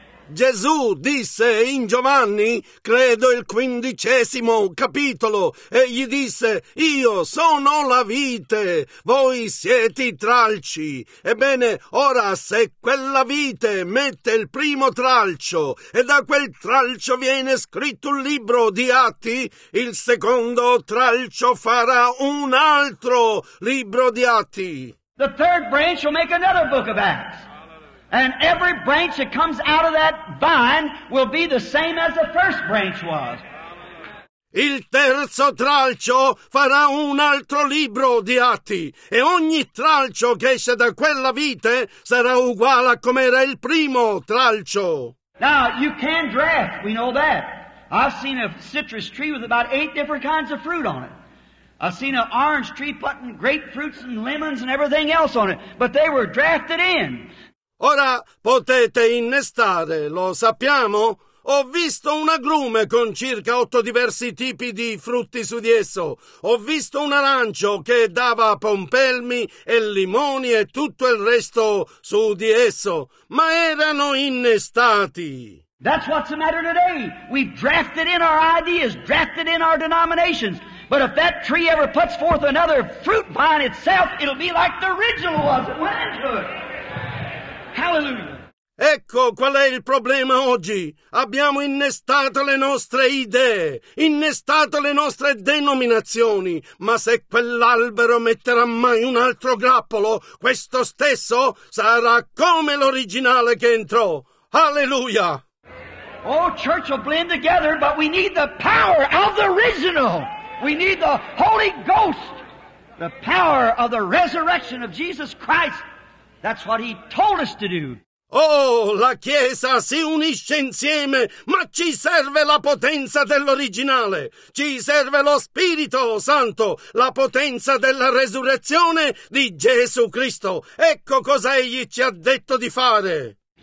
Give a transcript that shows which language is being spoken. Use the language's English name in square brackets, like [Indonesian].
[Italian] Gesù disse in Giovanni, credo il 15° capitolo, e gli disse, io sono la vite, voi siete i tralci. Ebbene, ora se quella vite mette il primo tralcio, e da quel tralcio viene scritto un libro di atti, il secondo tralcio farà un altro libro di atti. [English] The third branch will make another book of Acts. And every branch that comes out of that vine will be the same as the first branch was. [Italian] Il terzo tralcio farà un altro libro di atti, e ogni tralcio che esce da quella vite sarà uguale a come era il primo tralcio. [English] Now, you can draft, we know that. I've seen a citrus tree with about 8 different kinds of fruit on it. I've seen an orange tree putting grapefruits and lemons and everything else on it, but they were drafted in. [Italian] Ora potete innestare, lo sappiamo. Ho visto un agrume con circa 8 diversi tipi di frutti su di esso. Ho visto un arancio che dava pompelmi e limoni e tutto il resto su di esso. Ma erano innestati. [English] That's what's the matter today. We've drafted in our ideas, drafted in our denominations. But if that tree ever puts forth another fruit vine itself, it'll be like the original was it went into it. Hallelujah. [Italian] Ecco qual è il problema oggi. Abbiamo innestato le nostre idee, innestato le nostre denominazioni, ma se quell'albero metterà mai un altro grappolo, questo stesso sarà come l'originale che entrò. Hallelujah. [English] Oh, church will blend together, but we need the power of the original. We need the Holy Ghost, the power of the resurrection of Jesus Christ. That's what he told us to do. [Italian] Oh, la Chiesa si unisce insieme, ma ci serve la potenza dell'originale. Ci serve lo Spirito Santo, la potenza della resurrezione di Gesù Cristo. Ecco cosa egli ci ha detto di fare.